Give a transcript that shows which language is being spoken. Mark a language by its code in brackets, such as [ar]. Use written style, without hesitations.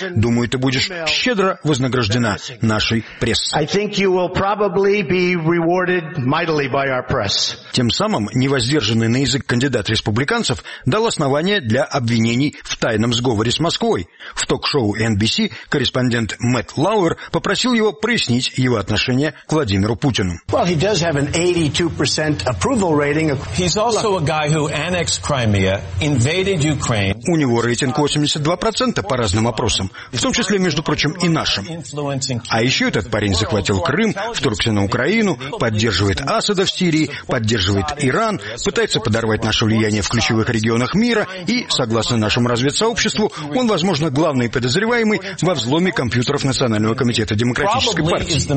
[ru] Думаю, ты будешь щедро вознаграждена нашей прессой. Тем самым невоздержанный на язык кандидат республиканцев дал основание для обвинений в тайном сговоре с Москвой. В ток-шоу NBC корреспондент Мэтт Лауэр попросил его прояснить его отношение к Владимиру Путину. [en] Well, he does have an 82% approval rating. He's also a guy who annexed Crimea, invaded Ukraine. [ru] У него рейтинг 82% по разным опросам, в том числе, между прочим, и нашим. А еще этот парень захватил Крым, вторгся на Украину, поддерживает Асада в Сирии, поддерживает Иран, пытается подорвать наше влияние в ключевых регионах мира и, согласно нашему разведсообществу, он, возможно, главный подозреваемый во взломе компьютеров Национального комитета Демократической партии.